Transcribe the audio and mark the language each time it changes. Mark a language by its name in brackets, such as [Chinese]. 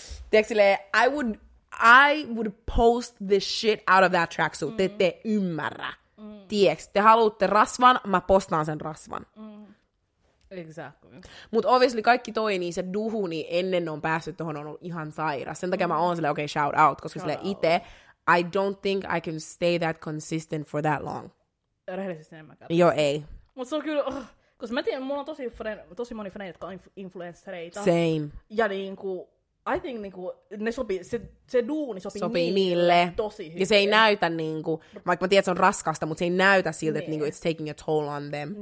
[Finnish] Tiedätkö silleen, [English] I would post the shit out of that tracksuit. [Finnish] Mm. Te ette ymmärrä. Mm. Tiedätkö? Te haluatte rasvan, mä postaan sen rasvan. [English] Mm. Exactly. [Finnish] Mut obviously kaikki toi, niin se duhu, niin ennen on päässyt tohon, on ollut ihan sairas. Sen takia mä oon silleen, okay, shout out. Koska silleen ite, [English] I don't think I can stay that consistent for that long. [Finnish] Rehellisesti en mä katso. Joo, ei. Mut se on kyllä, koska mä tiedän, mulla on tosi moni frendi, jotka on influenssereita. [English] Same. [Finnish] Ja niinku... [English] I think [Finnish] niinku ne sopii, se duuni sopii niille tosi hyvin. Ja se ei näytä niinku, vaikka mä tiedän, että se on raskasta, mutta se ei näytä siltä, että niinku [English] it's taking a toll on them.